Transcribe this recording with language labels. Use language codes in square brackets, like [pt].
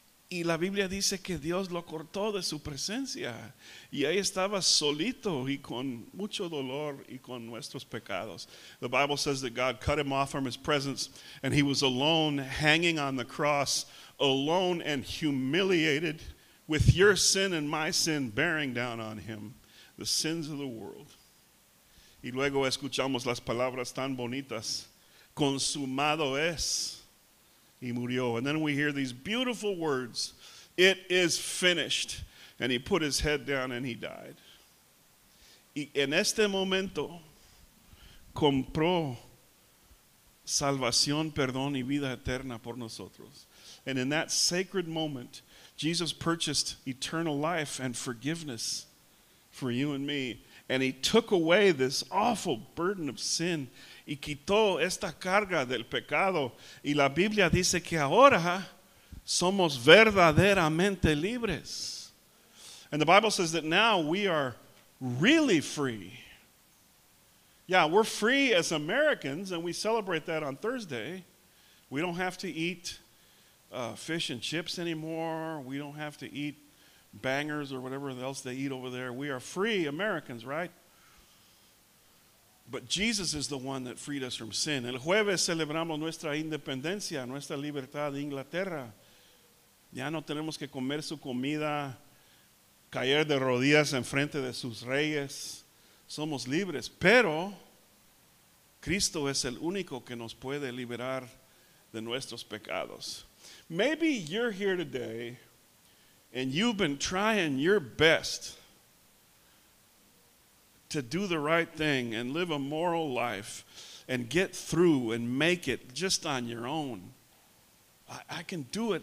[es] Y la Biblia dice que Dios lo cortó de su presencia. Y ahí estaba solito y con mucho dolor y con nuestros pecados. [en] The Bible says that God cut him off from his presence and he was alone hanging on the cross, alone and humiliated with your sin and my sin bearing down on him, the sins of the world. [es] Y luego escuchamos las palabras tan bonitas: consumado es, y murió. [en] And then we hear these beautiful words: it is finished. And he put his head down and he died. [es] Y en este momento compró salvación, perdón y vida eterna por nosotros. [en] And in that sacred moment, Jesus purchased eternal life and forgiveness for you and me. And he took away this awful burden of sin. [es] Y quitó esta carga del pecado. Y la Biblia dice que ahora somos verdaderamente libres. [en] And the Bible says that now we are really free. Yeah, we're free as Americans, and we celebrate that on Thursday. We don't have to eat fish and chips anymore. We don't have to eat bangers or whatever else they eat over there. We are free Americans, right? But Jesus is the one that freed us from sin. [es] El jueves celebramos nuestra independencia, nuestra libertad de Inglaterra. Ya no tenemos que comer su comida, caer de rodillas en frente de sus reyes. Somos libres, pero Cristo es el único que nos puede liberar de nuestros pecados. [en] Maybe you're here today and you've been trying your best to do the right thing and live a moral life and get through and make it just on your own. I can do it.